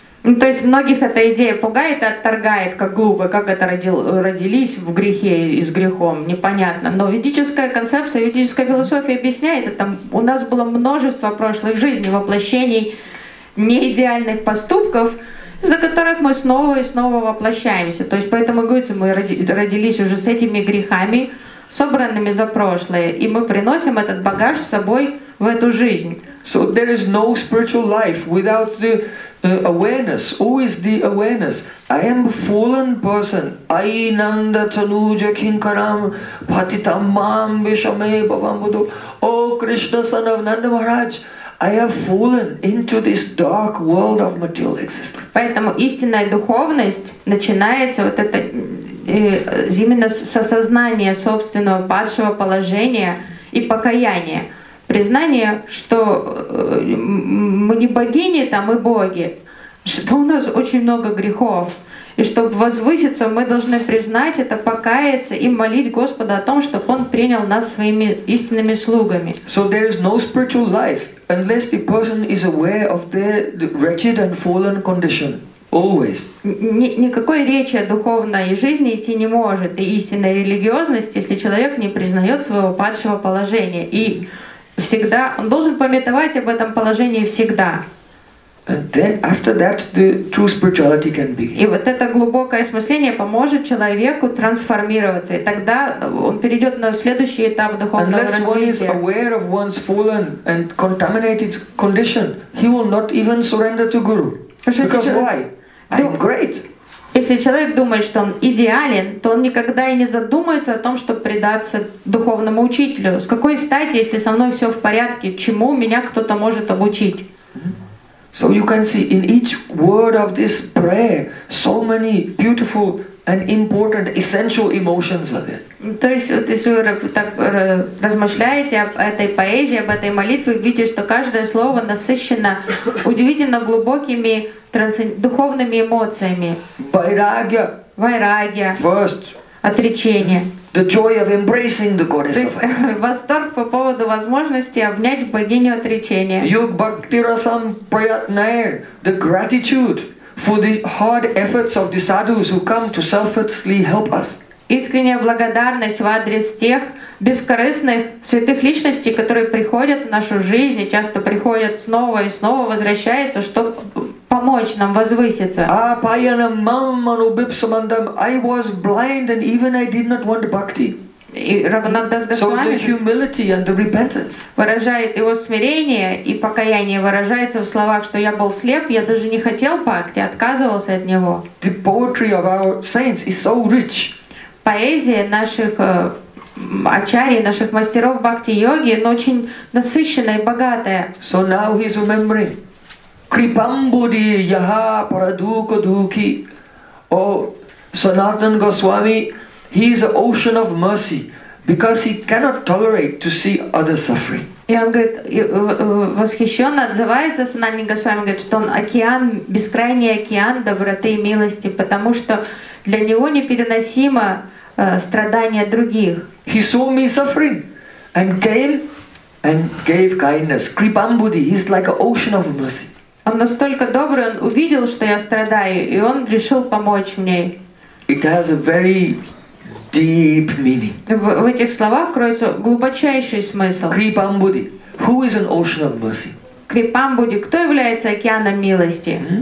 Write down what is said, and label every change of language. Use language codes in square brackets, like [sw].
[ru] То есть многих эта идея пугает и отторгает, как глупо, как это родились в грехе и с грехом, непонятно. Но ведическая концепция, ведическая философия объясняет это. У нас было множество прошлых жизней, воплощений неидеальных поступков, за которых мы снова и снова воплощаемся. То есть поэтому, говорится, мы родились уже с этими грехами, собранными за прошлое, и мы приносим этот багаж с собой в эту жизнь. [en] So there is no spiritual life without the awareness. Always the awareness. I am a fallen person. [sa] Ainanda tanuja kinkaram patitam mam vishame babambudu. [en] O Krishna, son of Nanda Maharaj, I have fallen into this dark world of material existence. [ru] Поэтому истинная духовность начинается вот это именно с осознания собственного падшего положения и покаяния, признание, что мы не богини, там и боги, что у нас очень много грехов, И чтобы возвыситься, мы должны признать это, покаяться и молить Господа о том, чтобы Он принял нас своими истинными слугами. [en] So there is no spiritual life unless the person is aware of their wretched and fallen condition. Always. [ru] Никакой речи о духовной жизни идти не может и истинной религиозности, если человек не признает своего падшего положения. И всегда он должен памятовать об этом положении всегда. [en] And then after that, the true spirituality can begin. [ru] И вот это глубокое осмысление поможет человеку трансформироваться, и тогда он перейдет на следующий этап духовного развития. [en] one is aware of one's fallen and contaminated condition, he will not even surrender to Guru. Because why? I'm great. [ru] Если человек думает, что он идеален, то он никогда и не задумается о том, чтобы предаться духовному учителю. С какой стати, если со мной все в порядке, чему меня кто-то может обучить? [en] So you can see in each word of this prayer, so many beautiful and important essential emotions are there. [ru] То есть, вот если вы так размышляете об этой поэзии, об этой молитве, видите, что каждое слово насыщено удивительно глубокими духовными эмоциями. [sa] Vairagya. Vairagya. [en] First. [ru] Отречение. [en] The joy of embracing the goddess. [ru] Восторг по поводу возможности обнять богиню отречения. [sa] Yug bhakti rasam prayatnaya, [en] the gratitude for the hard efforts of the sadhus who come to selflessly help us. [ru] Искренняя благодарность в адрес тех бескорыстных святых личностей, которые приходят в нашу жизнь и часто приходят снова и снова возвращаются, чтобы помочь нам возвыситься. [sa] Апаянам мамману бипсамандам. [en] I was blind and even I did not want bhakti. So the humility and the repentance. [ru] Выражает его смирение и покаяние выражается в словах, что я был слеп, я даже не хотел бхакти, отказывался от него. [en] The poetry of our saints is so rich. [ru] Поэзия наших ачарий, наших мастеров бхакти-йоги, но очень насыщенная и богатая. [en] So now he's remembering. [sa] Kripambudi yaha paradukadhuki. [en] Oh, Sanatan Goswami, he is an ocean of mercy because he cannot tolerate to see others suffering. [ru] И он говорит, восхищенно отзывается Санатан Госвами, говорит, что он океан, бескрайний океан доброты и милости, потому что для него непереносимо страдания других. [en] He saw me suffering and came and gave kindness. Kripambudi, he's like an ocean of mercy. [ru] Он настолько добрый, он увидел, что я страдаю, и он решил помочь мне. [en] It has a very deep meaning. [ru] В этих словах кроется глубочайший смысл. [en] Kripambudi, who is an ocean of mercy? [ru] Kripambudi, кто является океаном милости?